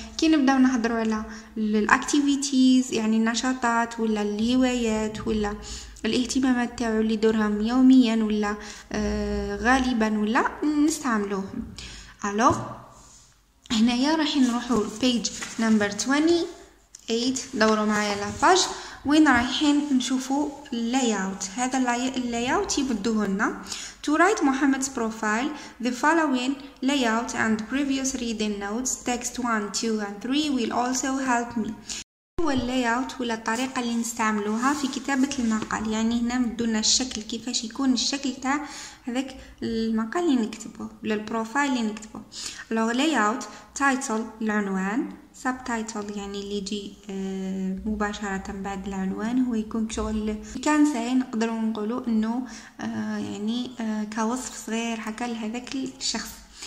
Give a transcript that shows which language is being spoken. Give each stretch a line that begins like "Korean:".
Arabic: كي نبداو نحضروا على الاكتيفيتيز يعني النشاطات ولا الهوايات ولا الاهتمامات تاعو اللي دورهم يوميا ولا غالبا ولا نستعملوهم. الوغ هنايا راح نروحوا
English: البيج نمبر
Arabic: 28 دوروا معايا على الباج وين رايحين نشوفوا اللاي اوت. هذا اللاي اوت يبدوه لنا.
English: To write Muhammad's profile, the following layout and previous reading notes, text 1, 2 and 3 will also help me.
Arabic: هو اللايوت ولا الطريقه اللي نستعملوها في كتابه المقال. يعني هنا مدونا الشكل كيفاش يكون الشكل تاع هذاك المقال اللي نكتبه ولا البروفايل اللي نكتبه. لو لايوت تايتل العنوان،
English: subtitle
Arabic: يعني اللي يجي مباشره بعد العنوان، هو يكون شغل كان ساين نقدروا نقولوا انه يعني كوصف صغير حكى لهذاك الشخص.